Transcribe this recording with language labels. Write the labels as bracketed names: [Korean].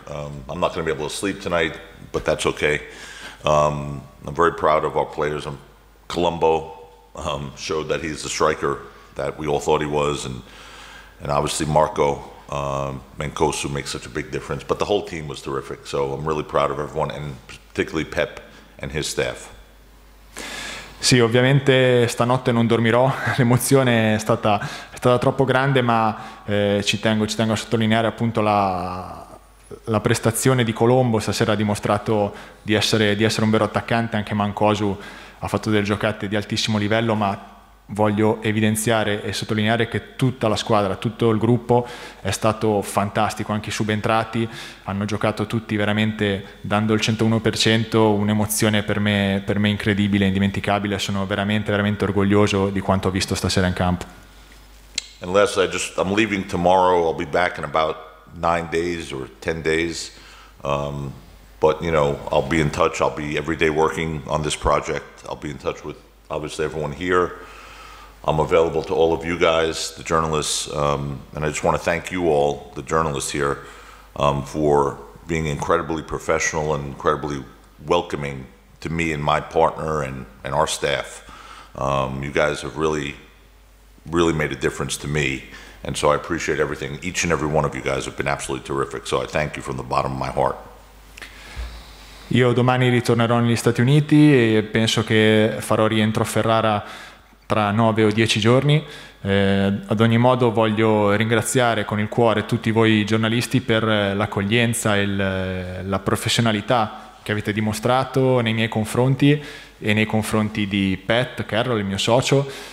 [English] I'm not going to be able to sleep tonight, but that's okay. I'm very proud of our players. Colombo showed that he's the striker that we all thought he was, and obviously Marco Mancosu makes such a big difference. But the whole team was terrific, so I'm really proud of everyone, and particularly Pep and his staff. [Italian] Sì, ovviamente stanotte non dormirò, l'emozione è stata troppo grande, ma ci tengo a sottolineare appunto la prestazione di Colombo. Stasera ha dimostrato di essere un vero attaccante, anche Mancosu ha fatto delle giocate di altissimo livello, ma voglio evidenziare e sottolineare che tutta la squadra, tutto il gruppo è stato fantastico, anche i subentrati hanno giocato tutti veramente dando il 101%, un'emozione per me incredibile, indimenticabile. Sono veramente veramente orgoglioso di quanto ho visto stasera in campo. [English] And lastly, I'm leaving tomorrow. I'll be back in about 9 days or 10 days, but you know, I'll be in touch. I'll be every day working on this project. I'll be in touch with obviously everyone here. I'm available to all of you guys, the journalists, and I just want to thank you all, the journalists here, for being incredibly professional and incredibly welcoming to me and my partner and our staff. You guys have really, really made a difference to me, and so I appreciate everything. Each and every one of you guys have been absolutely terrific, so I thank you from the bottom of my heart. [Italian] Io domani ritornerò negli Stati Uniti e penso che farò rientro a Ferrara tra 9 o 10 giorni. Ad ogni modo voglio ringraziare con il cuore tutti voi giornalisti per l'accoglienza e la professionalità che avete dimostrato nei miei confronti e nei confronti di Pat Carroll, il mio socio.